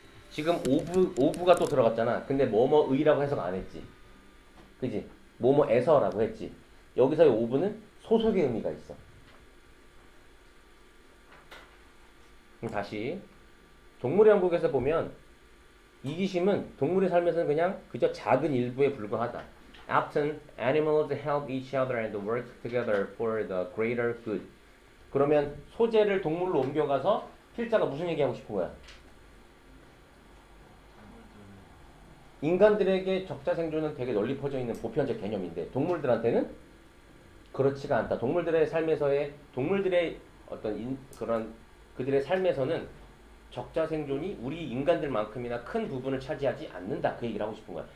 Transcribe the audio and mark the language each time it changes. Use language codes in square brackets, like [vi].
[ko] 지금 오브가 또 들어갔잖아. 근데 뭐뭐의라고 해석 안 했지. 그지? 뭐뭐에서라고 했지. 여기서의 오브는 소속의 의미가 있어. 다시. 동물의 왕국에서 보면 이기심은 동물의 삶에서는 그냥 그저 작은 일부에 불과하다. [en] Often, animals help each other and work together for the greater good. [ko] 그러면 소재를 동물로 옮겨가서 필자가 무슨 얘기하고 싶은 거야? 인간들에게 적자생존은 되게 널리 퍼져 있는 보편적 개념인데 동물들한테는 그렇지가 않다. 동물들의 어떤 그런 그들의 삶에서는 적자생존이 우리 인간들만큼이나 큰 부분을 차지하지 않는다. 그 얘기를 하고 싶은 거야.